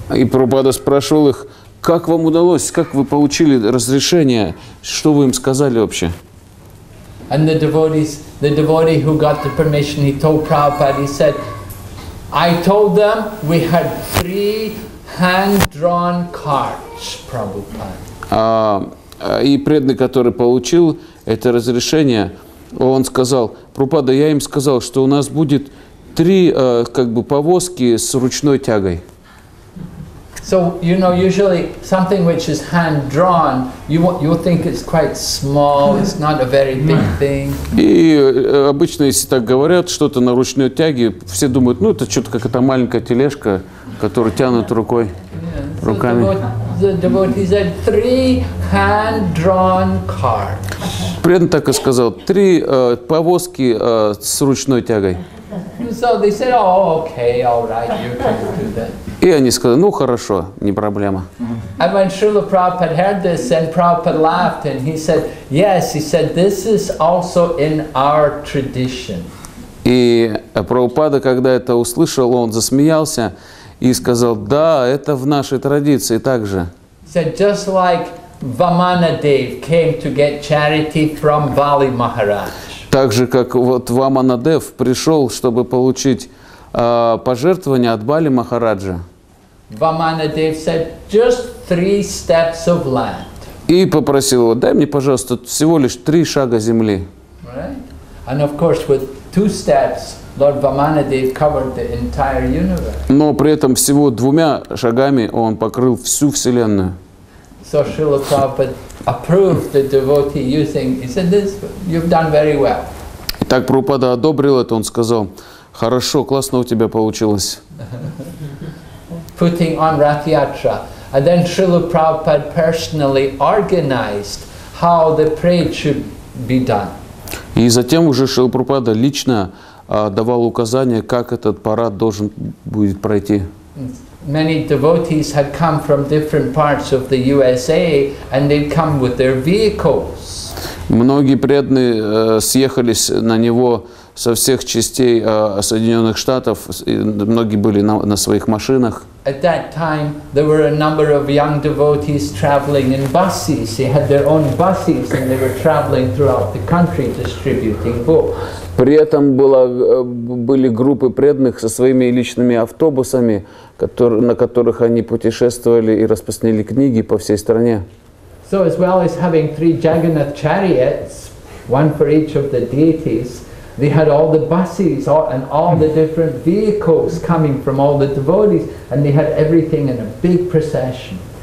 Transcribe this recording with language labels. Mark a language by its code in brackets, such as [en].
[ru] И Прабхупада спрашивал их, как вам удалось, как вы получили разрешение, что вы им сказали вообще? [en] And the devotee who got the permission, he told Prabhupada, he said, I told them we had three hand-drawn cards, Prabhupada. [ru] И преданный, который получил это разрешение, он сказал, Прабхупада, я им сказал, что у нас будет три повозки с ручной тягой. [en] So, you know, usually something which is hand-drawn, you think it's quite small, it's not a very big thing. [ru] И обычно, если так говорят, что-то на ручной тяге, все думают, ну, это что-то как эта маленькая тележка, которую тянут рукой, руками. [en] The devotee said, three hand-drawn carts. [ru] Преданный так и сказал, три повозки с ручной тягой. [en] So they said, oh, okay, all right, you can do that. [ru] И они сказали, ну хорошо, не проблема. [en] And when Srila Prabhupada heard this, then Prabhupada laughed and he said, yes, he said, this is also in our tradition. [ru] И Прабхупада, когда это услышал, он засмеялся и сказал, да, это в нашей традиции также. [en] He said, just like Vamana Dev came to get charity from Vali Maharaj. [ru] Так же, как вот Vamana Dev пришел, чтобы получить пожертвования от Бали Махараджа. [en] Vamanadev said, just three steps of land. [ru] И попросил его, дай мне, пожалуйста, всего лишь три шага земли. [en] Right? And of course, with two steps, Lord Vamanadev covered the entire universe. [ru] Но при этом всего двумя шагами он покрыл всю вселенную. [en] So Srila Prabhupada approved the devotee using. He said, this you've done very well. [ru] Итак, Прабхупада одобрил это, он сказал. Хорошо, классно у тебя получилось. [en] Putting on Rathyatra. And then Srila Prabhupada personally organized how the parade should be done. [ru] И затем уже Шрила Прабхупада лично давал указания, как этот парад должен будет пройти. [en] Many devotees had come from different parts of the USA and they'd come with their vehicles. [ru] Многие преданные съехались на него со всех частей Соединенных Штатов, и многие были на своих машинах. [en] At that time, there were a number of young devotees traveling in buses. They had their own buses, and they were traveling throughout the country distributing books. [ru] При этом были группы преданных со своими личными автобусами, на которых они путешествовали и распространили книги по всей стране. [en] So as well as having three Jagannath chariots, one for each of the deities, they had all the buses and all the different vehicles coming from all the devotees, and they had everything in a big procession.